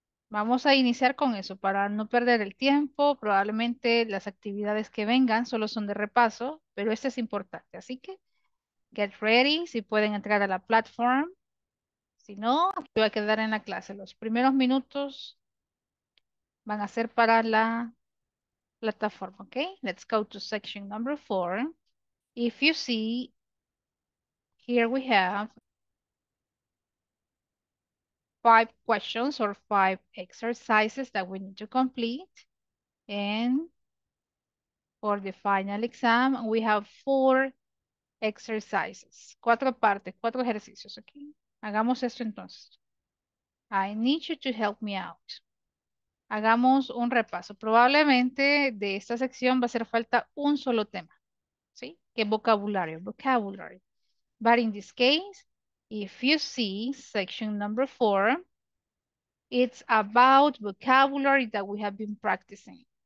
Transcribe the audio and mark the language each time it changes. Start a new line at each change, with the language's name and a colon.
Spanish: Vamos a iniciar con eso para no perder el tiempo. Probablemente las actividades que vengan solo son de repaso, pero este es importante. Así que,
English: get ready
Spanish: si pueden entrar a la plataforma. Si no, te voy a quedar en la clase. Los primeros minutos van a ser para la plataforma.
English: Ok, let's go to section number 4. If you see, here we have five questions or five exercises that we need to complete. And for the final exam, we have four exercises.
Spanish: Cuatro partes, cuatro ejercicios. Okay. Hagamos esto entonces.
English: I need you to help me out.
Spanish: Hagamos un repaso. Probablemente de esta sección va a hacer falta un solo tema. ¿Sí? ¿Qué vocabulario? Vocabulary.
English: But in this case, if you see section number 4, it's about vocabulary that we have been practicing.